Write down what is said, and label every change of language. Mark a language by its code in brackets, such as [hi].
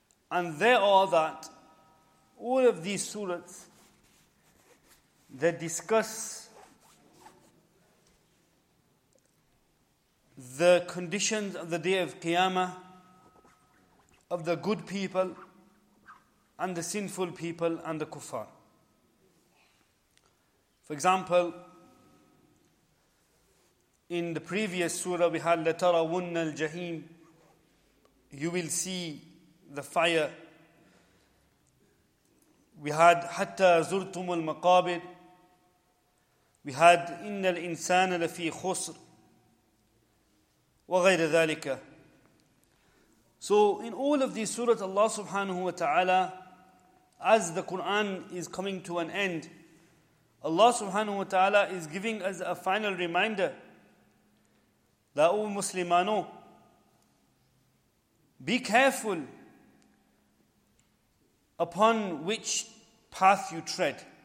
[en] And they are that all of these surahs, they discuss the conditions of the day of Qiyamah, of the good people and the sinful people and the kuffar. For example, in the previous surah we had [ar] لَتَرَوُنَّ الْجَحِيمِ, [en] you will see the fire. We had [ar] حَتَّى زُرْتُمُ الْمَقَابِرِ, [en] we had [ar] إِنَّ الْإِنسَانَ لَفِي خُسْرِ وَغَيْرَ ذَلِكَ. [en] So in all of these surahs, Allah subhanahu wa ta'ala, as the Quran is coming to an end, Allah subhanahu wa ta'ala is giving us a final reminder that, O Muslimano, be careful upon which path you tread.